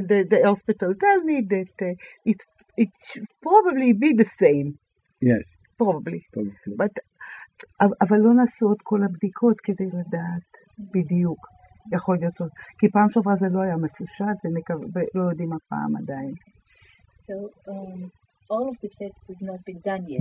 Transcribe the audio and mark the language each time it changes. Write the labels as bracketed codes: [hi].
[en] the hospital tell me that it should probably be the same. Yes. Probably. But [he] אבל לא נעשו עוד כל הבדיקות כדי לדעת בדיוק. יכול להיות עוד. כי פעם שעברה זה לא היה מפושט ולא יודעים הפעם עדיין. [en] So, all of the tests have not been done yet.